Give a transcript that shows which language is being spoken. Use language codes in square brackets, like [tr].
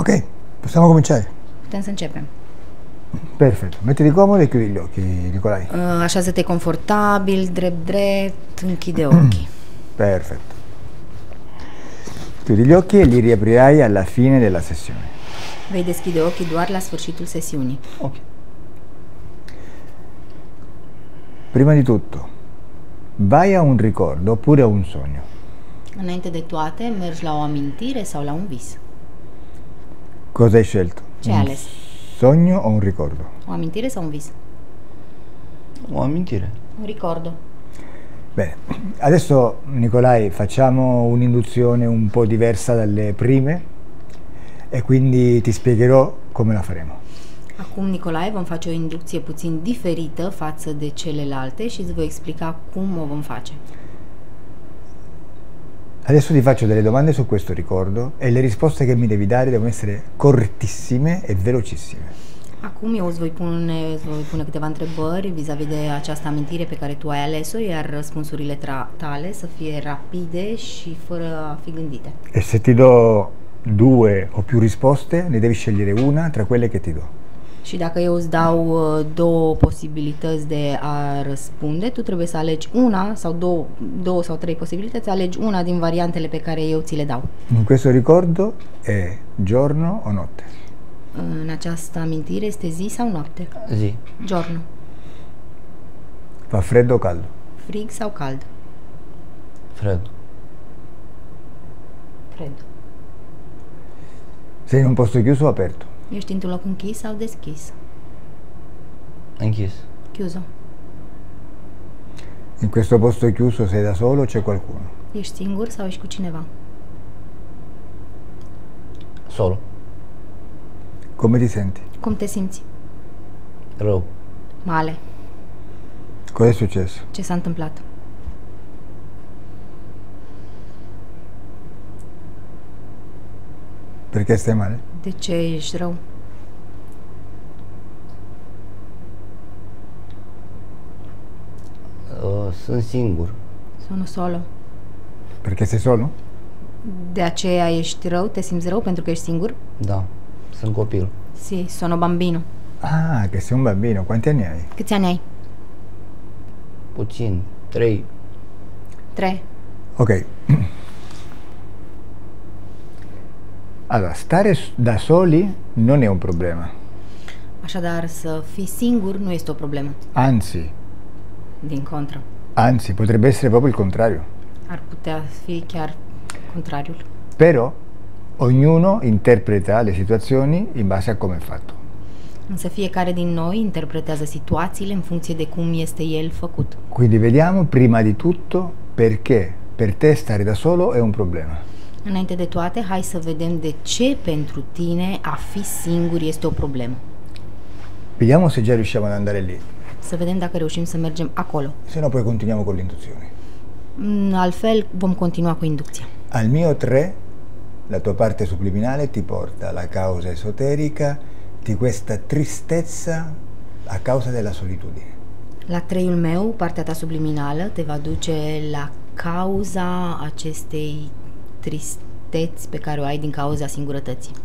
[it] Ok, possiamo cominciare? [ro] Potem să începem. [it] Perfetto, mettiti comodo e chiudi gli occhi, Nicolae. [ro] Așează-te confortabil, drept, închide [it] occhi. Perfetto. Chiudi gli occhi e li riaprirai alla fine della sessione. [ro] Vei deschide [it] occhi [ro] doar la sfârșitul sesiunii. Ok. [it] Prima di tutto, vai a un ricordo oppure a un sogno. [ro] Înainte de toate, mergi la o amintire sau la un vis. [it] Cosa hai scelto? [ro] Ce hai ales? [it] Sogno o un ricordo? [ro] O amintire sau un vis? O amintire. [it] Un ricordo. Bene. Adesso, Nicolae, facciamo un'induzione un po' diversa dalle prime e quindi ti spiegherò come la faremo. [ro] Acum, Nicolae, vom face o inducție puțin diferită față de celelalte și îți voi explica cum o vom face. [it] Adesso ti faccio delle domande su questo ricordo e le risposte che mi devi dare devono essere cortissime e velocissime. [ro] Acum eu îți voi pune câteva întrebări vis-a-vis de această amintire pe care tu ai ales-o, iar răspunsurile tale să fie rapide și fără a fi gândite. [it] E se ti do due o più risposte, ne devi scegliere una tra quelle che ti do. [ro] Și dacă eu îți dau două posibilități de a răspunde, tu trebuie să alegi una sau două sau trei posibilități, alegi una din variantele pe care eu ți le dau. [it] În questo ricordo è giorno o notte? [ro] În această amintire este zi sau noapte? Zi. [it] Giorno. Fa freddo o caldo? [ro] frig sau cald? Fred. Fred. [it] Sei in un posto chiuso o aperto? [ro] Ești într-un loc închis sau deschis? Închis. [it] Chiuso. In questo posto chiuso sei da solo o c'è qualcuno? [ro] Ești singur sau ești cu cineva? [it] Solo. Come ti senti? [ro] Cum te simți? Rău. [it] Male. Cosa è successo? [ro] Ce s-a întâmplat? [it] Perché stai male? [ro] De ce ești rău? Sunt singur. [it] Sono solo. Perché sei solo? [ro] De aceea ești rău? Te simți rău pentru că ești singur? Da. Sunt copil. [it] Sì, sono bambino. Ah, che sei un bambino. Quanti anni hai? [ro] Câți ani ai? Puțin. Trei. [it] Tre. Ok. Allora, stare da soli non è un problema. [ro] Așadar, să fii singur nu este o problemă. [it] Anzi. [ro] Din contră. [it] Anzi, potrebbe essere proprio il contrario. [ro] Ar putea fi chiar contrariul. [it] Però, ognuno interpreta le situazioni in base a come è fatto. [ro] Însă fiecare din noi interpretează situațiile în funcție de cum este el făcut. [it] Quindi vediamo prima di tutto perché per te stare da solo è un problema. [ro] Înainte de toate, hai să vedem de ce pentru tine a fi singur este o problemă. [it] Vediamo se già riusciamo ad andare lì. [ro] Să vedem dacă reușim să mergem acolo. [it] Se no, poi continuiamo con l'induzione. [ro] Altfel, vom continua cu inducția. [it] Al mio 3, la tua parte subliminale ti porta la causa esoterica di questa tristezza a causa della solitudine. [ro] La 3-ul meu, partea ta subliminală, te va duce la cauza acestei tristeți pe care o ai din cauza singurătății.